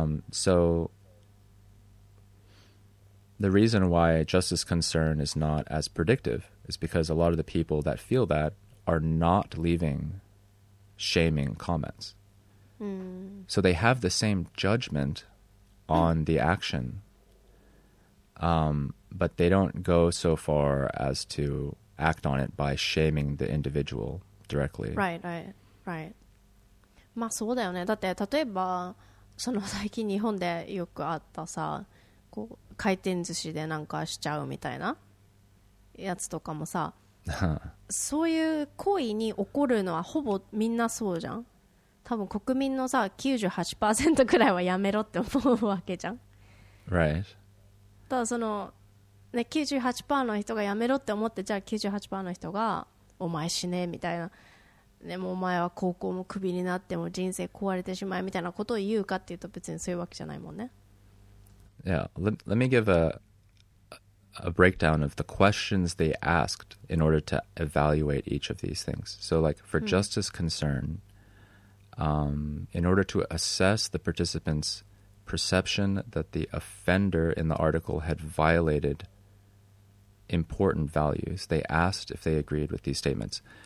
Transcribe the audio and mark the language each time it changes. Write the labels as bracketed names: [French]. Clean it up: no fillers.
[English] So the reason why justice concern is not as predictive is because a lot of the people that feel that are not leaving shaming comments. So they have the same judgment on the action, but they don't go so far as to act on it by shaming the individual directly. Right, right, right. [Japanese] まあそうだよね。だって例えばその最近日本でよくあったさ、こう回転寿司でなんかしちゃうみたいなやつとかもさ、そういう行為に起こるのはほぼみんなそうじゃん。多分国民のさ 98% くらいはやめろって思うわけじゃん。 [English] Right. [Japanese] ただその、ね、98% の人がやめろって思って、じゃあ 98% の人がお前死ねみたいな、でもお前は高校もクビになっても人生壊れてしまえみたいなことを言うかっていうと、別にそういうわけじゃないもんね。 [English] Yeah, let me give a breakdown of the questions they asked in order to evaluate each of these things. So like for justice concern, in order to assess the participants' perception that the offender in the article had violated important values, they asked if they agreed with these statements.